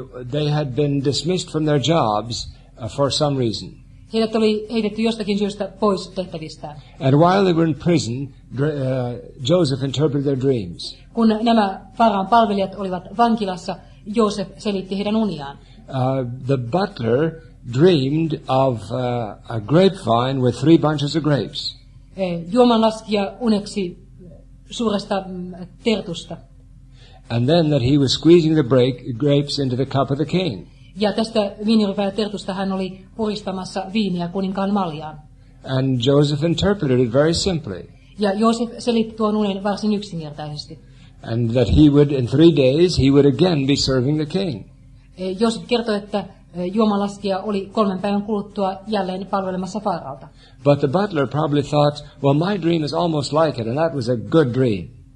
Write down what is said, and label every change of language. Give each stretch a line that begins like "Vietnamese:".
English: They had been dismissed from their jobs for some reason.
Finnish: Heidät oli heitetty jostakin syystä pois tehtävistään.
English: And while they were in prison, Joseph interpreted their dreams.
Finnish: Kun nämä Faraon palvelijat olivat vankilassa, Joseph selitti heidän uniaan.
English: The butler dreamed of a grapevine with three bunches of grapes.
Finnish: Juomanlaskija uneksi suuresta tertusta.
English: And then that he was squeezing the grapes into the cup of the king.
Finnish: Ja tästä viinirypäjä tertusta hän oli puristamassa viiniä kuninkaan maljaan.
English: And Joseph interpreted it very simply.
Finnish: Ja Joseph selitti tuon unen varsin yksinkertaisesti.
English: And that he would, in 3 days, he would again be serving the king.
Finnish: Joseph kertoi, että juomalaskija oli 3 päivän kuluttua jälleen palvelemassa Faraolta.
English: But the butler probably thought, well, my dream is almost like it, and that was a good dream.